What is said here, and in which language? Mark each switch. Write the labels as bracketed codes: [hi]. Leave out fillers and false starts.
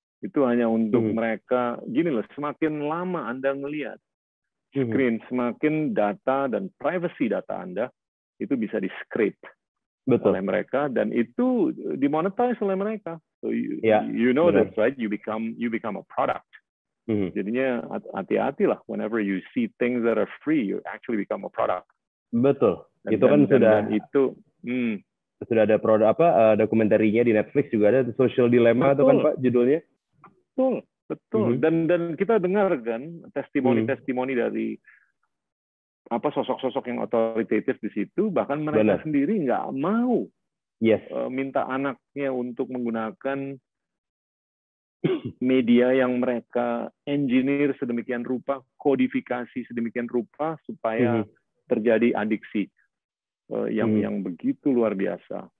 [id] Itu hanya untuk mereka gini loh, semakin lama Anda ngelihat screen, semakin data dan privacy data Anda itu bisa di-scrape oleh mereka dan itu dimonetize oleh mereka. [en] So you know that, right? You become a product. [id] Jadinya hati-hatilah [en] whenever you see things that are free, you actually become a product. [id] Betul. And itu kan sudah itu sudah ada produk apa dokumentarinya di Netflix juga ada Social Dilemma itu kan Pak judulnya? Betul. Betul. Dan kita dengar kan testimoni-testimoni dari apa sosok-sosok yang otoritatif di situ, bahkan mereka sendiri nggak mau minta anaknya untuk menggunakan media yang mereka engineer sedemikian rupa, kodifikasi sedemikian rupa supaya terjadi adiksi yang begitu luar biasa.